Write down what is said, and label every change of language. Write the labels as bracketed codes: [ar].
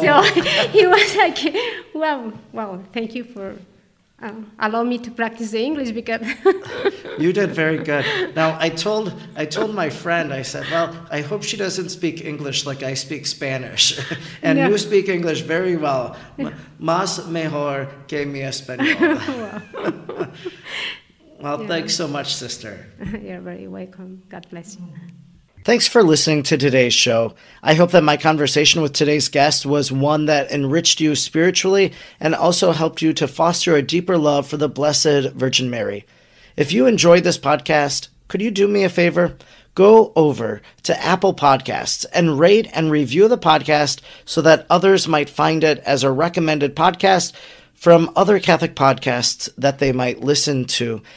[en] So he was like, well, thank you for allowing me to practice the English because... You did very good. Now, I told my friend, I said, well, I hope she doesn't speak English like I speak Spanish. And no. You speak English very well. [es] Más mejor que mi español. [en] Well, yeah. Thanks so much, sister. You're very welcome. God bless you. Thanks for listening to today's show. I hope that my conversation with today's guest was one that enriched you spiritually and also helped you to foster a deeper love for the Blessed Virgin Mary. If you enjoyed this podcast, could you do me a favor? Go over to Apple Podcasts and rate and review the podcast so that others might find it as a recommended podcast from other Catholic podcasts that they might listen to.